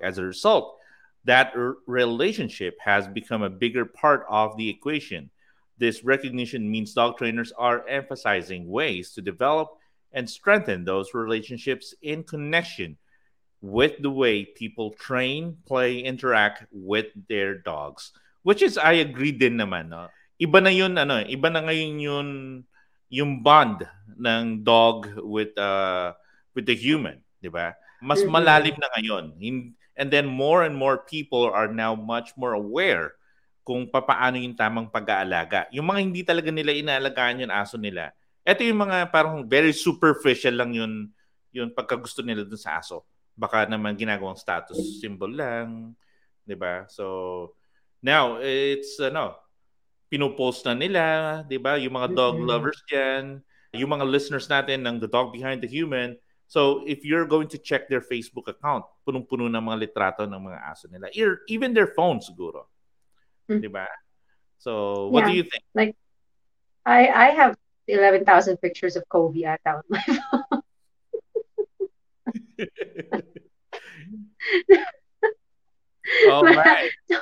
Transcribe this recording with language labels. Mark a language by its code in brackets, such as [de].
[en] As a result, that relationship has become a bigger part of the equation. This recognition means dog trainers are emphasizing ways to develop and strengthen those relationships in connection with the way people train, play, interact with their dogs. Which is, I agree [tl] din naman. [en] No? [tl] Iba na yun, ano, iba na ngayon yun, yung bond ng dog [en] with the human, [tl] di ba? Mas malalim na ngayon. [en] And then more and more people are now much more aware [tl] kung paano yung tamang pag-aalaga. Yung mga hindi talaga nila inaalagaan yung aso nila. Ito yung mga parang [en] very superficial [tl] lang yun pagkagusto nila dun sa aso. Baka naman ginagawang status symbol lang, 'di ba? [en] So now it's [tl] pinopost na nila, 'di ba? Yung mga dog lovers diyan, yung mga listeners natin ng The Dog Behind the Human. [en] So if you're going to check their Facebook account, [tl] punong-puno ng mga litrato ng mga aso nila. [en] Even their phones, [tl] siguro. [en] Mm-hmm. [tl] Di ba? [en] So what do you think? Like, I have 11,000 pictures of Kobe at on my phone. Alright.